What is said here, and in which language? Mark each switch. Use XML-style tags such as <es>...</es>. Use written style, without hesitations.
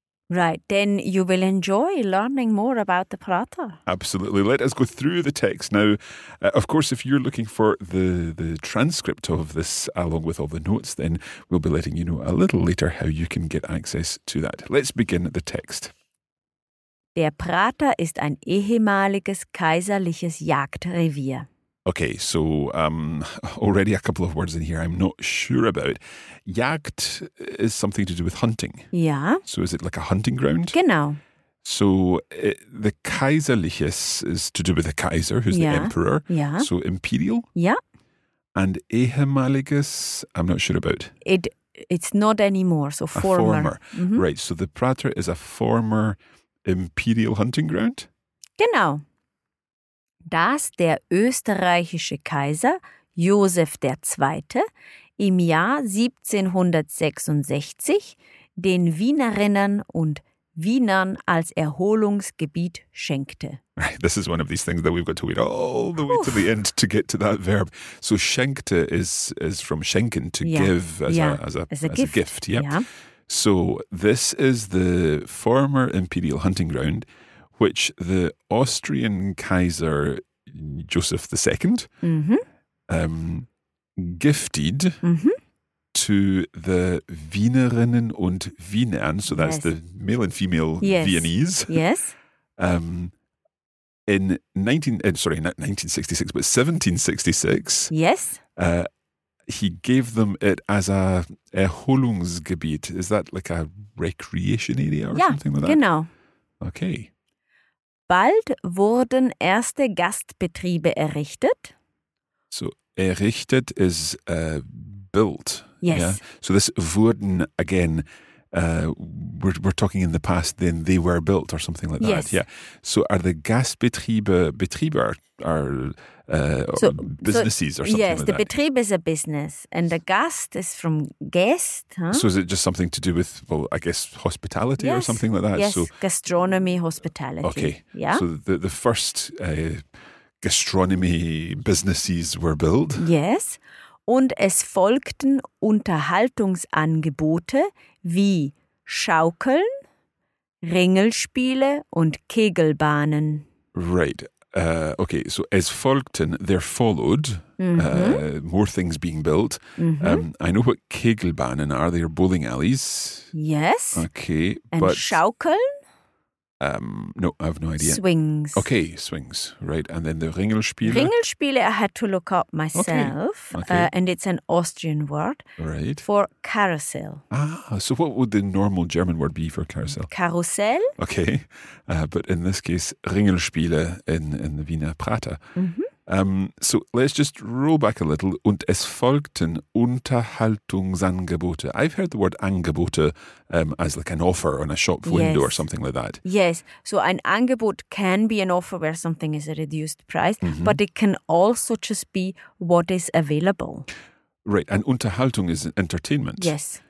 <en>Right, then you will enjoy learning more about the Prater. Absolutely. Let us go through the text. Now, of course, if you're looking for the transcript of this along with all the notes, then we'll be letting you know a little later how you can get access to that. Let's begin the text.</en> <de>Der Prater ist ein ehemaliges kaiserliches Jagdrevier.</de> <en>Okay, so already a couple of words in here I'm not sure about. Jagd is something to do with hunting. Yeah. So is it like a hunting ground?</en> <de>Genau.</de> <en>So the kaiserliches is to do with the Kaiser, who's the emperor. Yeah. So imperial. Yeah. And ehemaliges, I'm not sure about. It's not anymore, so former. A former. Mm-hmm. Right, so the Prater is a former imperial hunting ground?</en> <de>Genau. Dass der österreichische Kaiser Josef II. Im Jahr 1766 den Wienerinnen und Wienern als Erholungsgebiet schenkte.</de> <en>Right, this is one of these things that we've got to wait all the way to the end to get to that verb. So schenkte is from schenken, to give as a gift. Yep. Yeah. So this is the former imperial hunting ground, which the Austrian Kaiser Joseph II gifted to the</en> <de>Wienerinnen und Wienern,</de> <en>so that's the male and female Viennese. Yes. In 1766. Yes. He gave them it as a Erholungsgebiet. Is that like a recreation area or something like that? Yeah, genau. Okay. Bald wurden erste Gastbetriebe errichtet. So, errichtet is built. Yes. Yeah? So this wurden, again, we're talking in the past, then they were built or something like that. Yes. Yeah. So are the Gastbetriebe are businesses or something like that? Yes, the Betriebe is a business and the Gast is from guest. Huh? So is it just something to do with, well, I guess, hospitality or something like that? Yes, so, gastronomy, hospitality. Okay. Yeah. So the first gastronomy businesses were built. Yes.</en> <de>Und es folgten Unterhaltungsangebote wie Schaukeln, Ringelspiele und Kegelbahnen.</de> <en>Right. Okay, so</en> <de>es folgten,</de> <en>there followed, more things being built. Mm-hmm. I know what Kegelbahnen are, they are bowling alleys. Yes. Okay, and but... And Schaukeln? No, I have no idea. Swings. Okay, swings, right. And then the Ringelspiele? Ringelspiele, I had to look up myself. Okay. And it's an Austrian word. Right. For carousel. Ah, so what would the normal German word be for carousel? Carousel. Okay. But in this case, Ringelspiele in the Wiener Prater. Mm-hmm. So let's just roll back a little.</en> <de>Und es folgten Unterhaltungsangebote.</de> <en>I've heard the word Angebote as like an offer on a shop window or something like that. Yes. So an Angebot can be an offer where something is a reduced price, mm-hmm. but it can also just be what is available. Right. And Unterhaltung is entertainment. Yes.</en>